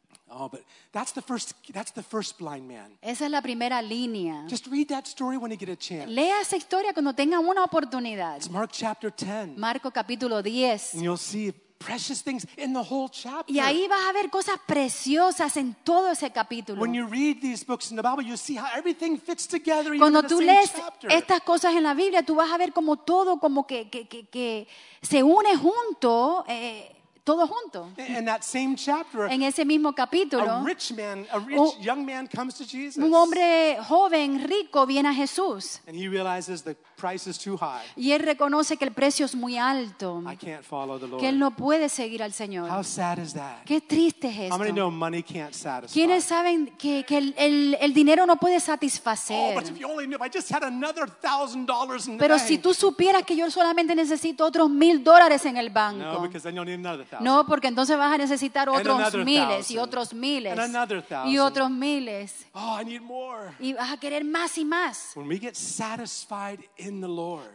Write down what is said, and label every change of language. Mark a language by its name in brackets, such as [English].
[English] Oh, but that's the first blind man. [Spanish] Esa es la primera línea. [English] Just read that story when you get a chance. [Spanish] Lea esa historia cuando tenga una oportunidad. [English] It's Mark chapter 10. [Spanish] Marco capítulo 10. [English] And you'll see precious things in the whole chapter. [Spanish] Y ahí vas a ver cosas preciosas en todo ese capítulo. [English] When you read these books in the Bible, you see how everything fits together even in the same chapter. [Spanish] Cuando tú lees estas cosas en la Biblia, tú vas a ver como todo como que se une junto, todo junto. [English] In that same chapter, [Spanish] en ese mismo capítulo, [English] a rich young man comes to Jesus. [Spanish] Un hombre joven, rico, viene a Jesús. [English] And he realizes the price is too high. [Spanish] Y él reconoce que el precio es muy alto. [English] I can't follow the Lord. [Spanish] Que él no puede seguir al Señor. [English] How sad is that? [Spanish] Qué triste es esto. [English] How many know money can't satisfy? [Spanish] ¿Quiénes saben que el dinero no puede satisfacer? [English] Oh, but if you only knew, if I just had another $1,000 in the [Spanish] pero [English] bank. [Spanish] Si tú supieras que yo solamente necesito otros $1,000 en el banco. [English] No, because then you'll need another $1,000. [Spanish] No, porque entonces vas a necesitar otros miles y otros miles y otros miles. [English] Oh, I need more. [Spanish] Y vas a querer más y más. [English] When we get satisfied in the Lord,